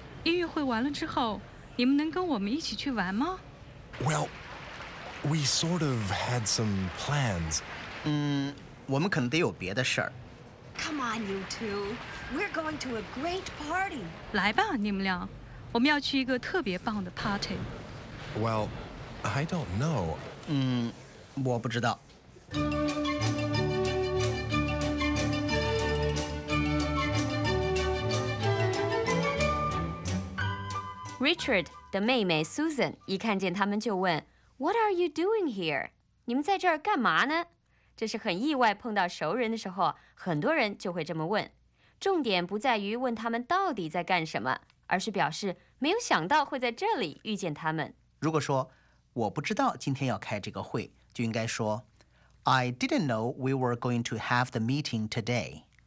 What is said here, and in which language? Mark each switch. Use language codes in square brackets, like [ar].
[zh] 音乐会完了之后，你们能跟我们一起去玩吗？ [en] Well, we sort of had some plans. [zh] 我们可能得有别的事儿。 [en] Come on, you two. We're going to a great party. [zh] 来吧，你们俩，我们要去一个特别棒的 party. [en] Well,I don't know. [zh] 我不知道。 Richard 的妹妹 Susan 一看见他们就问 [en] What are you doing here? [zh] 你们在这儿干嘛呢？这是很意外碰到熟人的时候，很多人就会这么问。重点不在于问他们到底在干什么，而是表示没有想到会在这里遇见他们。如果说我不知道今天要开这个会，就应该说 [en] I didn't know we were going to have the meeting today.